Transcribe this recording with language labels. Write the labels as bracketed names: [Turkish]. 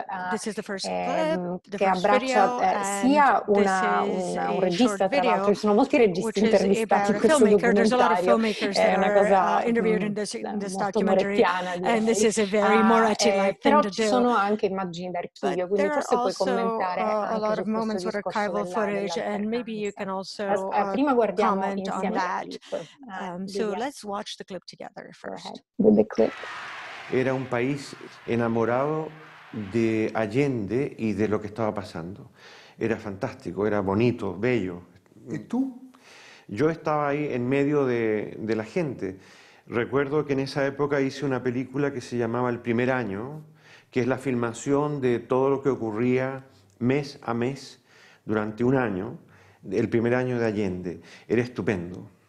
[English] this is the first clip, the first video, [Italian] sia un regista, tra l'altro ci sono molti registi intervistati in questo documentario. [English] There's a lot of filmmakers that are interviewed in this documentary, and this is a very Moretti-like thing to do. [Italian] Però ci sono anche immagini d'archivio, quindi forse puoi commentare anche [English] a lot of moments with archival footage, and maybe you can also comment on that. So let's watch the clip together first. The clip. [Spanish] Era un país enamorado de Allende y de lo que estaba pasando. Era fantástico, era bonito, bello. ¿Y tú? Yo estaba ahí en medio de la gente. Recuerdo que en esa época hice una película que se llamaba El primer año, que es la filmación de todo lo que ocurría mes a mes durante un año, el primer año de Allende. Era estupendo.